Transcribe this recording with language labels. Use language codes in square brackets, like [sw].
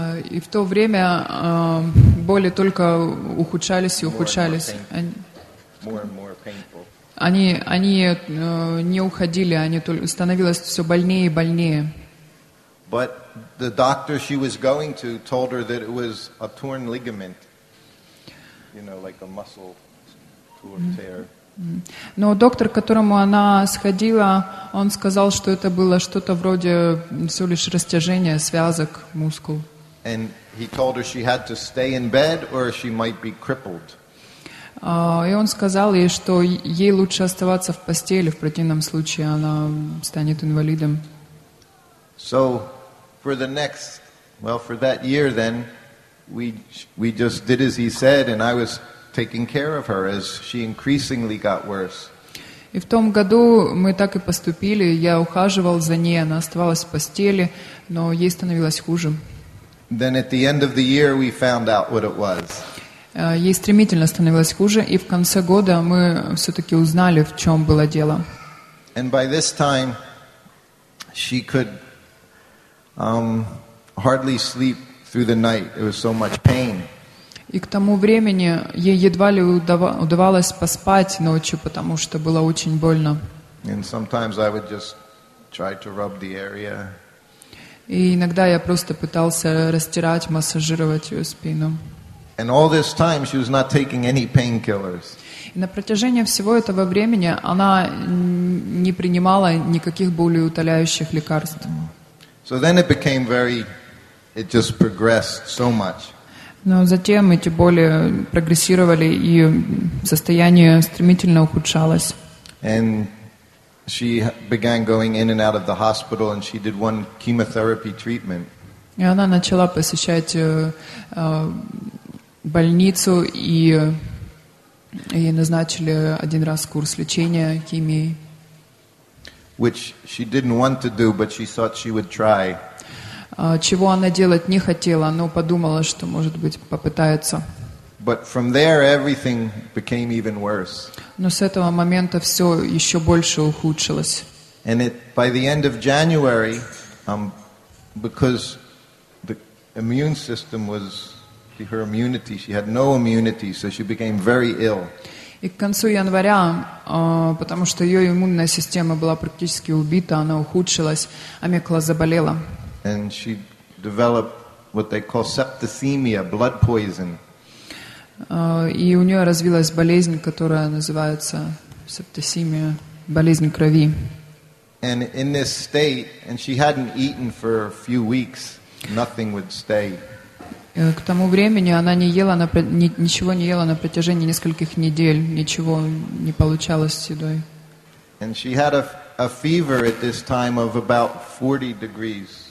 [ru] И в то время боли только ухудшались и ухудшались. [en] More and more painful. [ru] Они не уходили, они только становилось все больнее и больнее. [en] But the doctor she was going to told her that it was a torn ligament, you know, like a muscle torn tear. [ru] Но доктор, к которому она сходила, он сказал, что это было что-то вроде всего лишь растяжения связок, мускул. [en] And he told her she had to stay in bed or she might be crippled. [ru] И он сказал ей, что ей лучше оставаться в постели, в противном случае она станет инвалидом. [en] So for the next, well, for that year then, we just did as he said, and I was taking care of her as she increasingly got worse. [ru] И в том году мы так и поступили. Я ухаживал за ней, она оставалась в постели, но ей становилось хуже. [en] Then at the end of the year we found out what it was. [ru] Ей стремительно становилось хуже, и в конце года мы все-таки узнали, в чем было дело. [en] And by this time she could hardly sleep through the night. It was so much pain. [ru] И к тому времени ей едва ли удавалось поспать ночью, потому что было очень больно. [en] And sometimes I would just try to rub the area. [ru] И иногда я просто пытался растирать, массажировать ее спину. [en] And all this time she was not taking any painkillers. [ru] И на протяжении всего этого времени она не принимала никаких болеутоляющих лекарств. [en] So then it became very, it just progressed so much. [ru] Но затем эти боли прогрессировали, и состояние стремительно ухудшалось. И она начала посещать больницу, и ей назначили один раз курс лечения химией. [en] Which she didn't want to do, but she thought she would try. [ru] Чего она делать не хотела, но подумала, что, может быть, попытается. [en] But from there everything became even worse. [ru] Но с этого момента все еще больше ухудшилось. [en] And it, by the end of January, because the immune system was her immunity, she had no immunity, so she became very ill. [ru] И к концу января, потому что ее иммунная система была практически убита, она ухудшилась, Амекла заболела. [en] And she developed what they call septicemia, blood poison. [ru] И у нее развилась болезнь, которая называется септицемия, болезнь крови. [en] And in this state, and she hadn't eaten for a few weeks, nothing would stay. [ru] К тому времени она не ела, ничего не ела на протяжении нескольких недель, ничего не получалось с едой. [en] And she had a fever at this time of about 40 degrees.